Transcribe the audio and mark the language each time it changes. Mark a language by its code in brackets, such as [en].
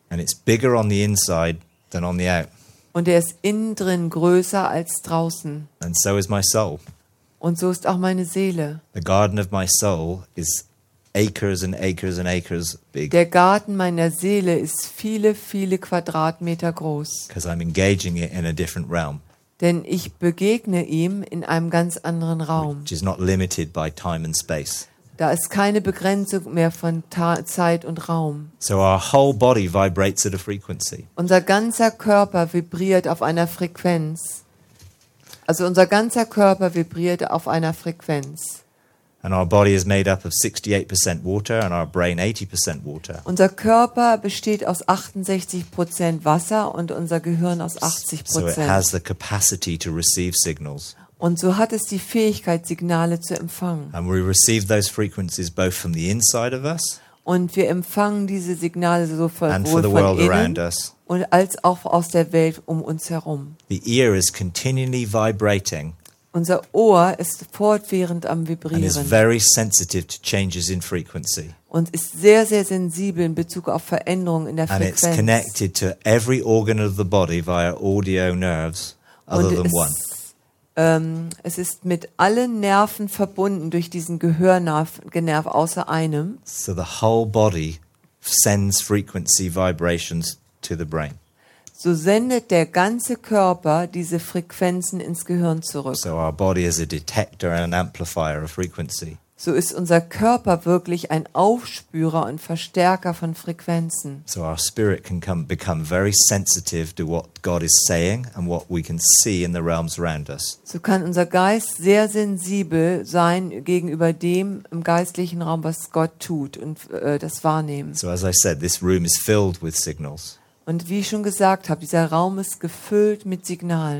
[en] And it's bigger on the inside than on the out. [de] Und er ist innen drin größer als draußen. [en] And so is my soul. [de] Und so ist auch meine Seele. [en] The garden of my soul is acres and acres and acres big. [de] Der Garten meiner Seele ist viele, viele Quadratmeter groß. [en] Because I'm engaging it in a different realm. [de] Denn ich begegne ihm in einem ganz anderen Raum. [en] Which is not limited by time and space. [de] Da ist keine Begrenzung mehr von Zeit und Raum. [en] So our whole body vibrates at a frequency. [de] Unser ganzer Körper vibriert auf einer Frequenz. Also unser ganzer Körper vibriert auf einer Frequenz. [en] And our body is made up of 68% water and our brain 80% water. [de] Unser Körper besteht aus 68% Wasser und unser Gehirn aus 80%. [en] So it has the capacity to receive signals. [de] Und so hat es die Fähigkeit, Signale zu empfangen. [en] And we receive those frequencies both from the inside of us. [de] Und wir empfangen diese Signale sowohl von innen und als auch aus der Welt um uns herum. [en] The ear is continually vibrating. [de] Unser Ohr ist fortwährend am Vibrieren. [en] And is very sensitive to changes in frequency. [de] Und ist sehr, sehr sensibel in Bezug auf Veränderungen in der Frequenz. [en] And it's connected to every organ of the body via audio nerves other than one. [de] Es ist mit allen Nerven verbunden durch diesen Gehörnerv außer einem. [en] So the whole body sends frequency vibrations to the brain. [de] So sendet der ganze Körper diese Frequenzen ins Gehirn zurück. [en] So our body is a detector and an amplifier of frequency. [de] So ist unser Körper wirklich ein Aufspürer und Verstärker von Frequenzen. [en] So our spirit can become very sensitive to what God is saying and what we can see in the realms around us. [de] So kann unser Geist sehr sensibel sein gegenüber dem im geistlichen Raum, was Gott tut und das wahrnehmen. [en] So as I said, this room is filled with signals. [de] Und wie ich schon gesagt habe, dieser Raum ist gefüllt mit Signalen.